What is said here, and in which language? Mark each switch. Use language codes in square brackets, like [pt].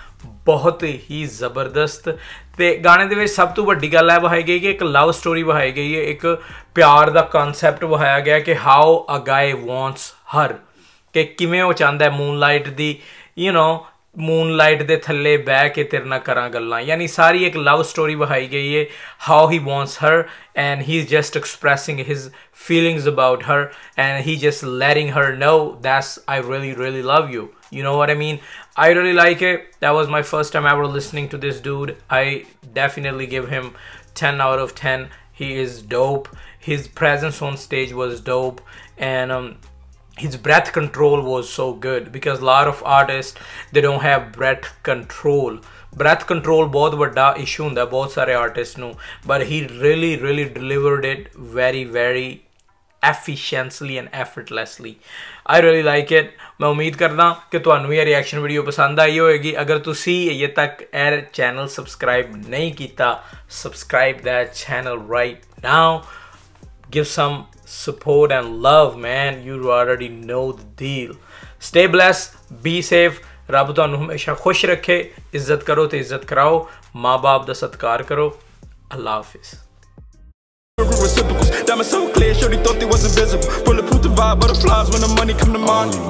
[pa] ਬਹੁਤ ਹੀ ਜ਼ਬਰਦਸਤ ਅਤੇ ਗਾਣੇ ਦੇ ਵਿੱਚ ਸਭ ਤੋਂ ਵੱਡੀ ਗੱਲ ਇਹ ਵਿਖਾਈ ਗਈ ਕਿ ਇੱਕ ਲਵ ਸਟੋਰੀ ਵਿਖਾਈ ਗਈ ਹੈ, ਇੱਕ ਪਿਆਰ ਦਾ ਕਨਸੈਪਟ ਵਿਖਾਇਆ ਗਿਆ ਕਿ [en] how a guy wants her, [pa] ਕਿ ਕਿਵੇਂ ਉਹ ਚਾਹੁੰਦਾ ਮੂਨਲਾਈਟ ਦੀ, ਯੂ ਨੋ, ਮੂਨਲਾਈਟ ਦੇ ਥੱਲੇ ਬਹਿ ਕੇ ਤੇਰੇ ਨਾਲ ਕਰਾਂ ਗੱਲਾਂ. ਯਾਨੀ ਸਾਰੀ ਇੱਕ ਲਵ ਸਟੋਰੀ ਵਿਖਾਈ ਗਈ ਹੈ, [en] How he wants her and he is just expressing his feelings about her and he just letting her know that's I really really love you. You know what I mean? I really like it. That was my first time ever listening to this dude. I definitely give him 10 out of 10. He is dope. His presence on stage was dope. And his breath control was so good. Because a lot of artists, they don't have breath control. Breath control [pa] bahut bada issue hunda bahut sare artists nu. [en] But he really, really delivered it very, very efficiently and effortlessly. I really like it. [pa] ਮੈਂ ਉਮੀਦ ਕਰਦਾ ਕਿ ਤੁਹਾਨੂੰ ਇਹ reaction video ਪਸੰਦ ਆਈ ਹੋਏਗੀ. ਅਗਰ ਤੁਸੀਂ ਅਜੇ ਤੱਕ ਇਹ ਚੈਨਲ ਸਬਸਕ੍ਰਾਈਬ ਨਹੀਂ ਕੀਤਾ, [en] Subscribe that channel right now. Give some support and love, man, you already know the deal. Stay bless, be safe, [pa] ਰੱਬ ਤੁਹਾਨੂੰ ਹਮੇਸ਼ਾ ਖੁਸ਼ ਰੱਖੇ. ਇੱਜ਼ਤ ਕਰੋ ਅਤੇ ਇੱਜ਼ਤ ਕਰਾਓ, ਮਾਂ ਬਾਪ ਦਾ ਸਤਿਕਾਰ ਕਰੋ. ਅੱਲਾ ਹਾਫਿਜ਼. [en] Reciprocals, diamonds so clear, shorty thought they was invisible. Pull the proof to vibe, butterflies when the money come to mind.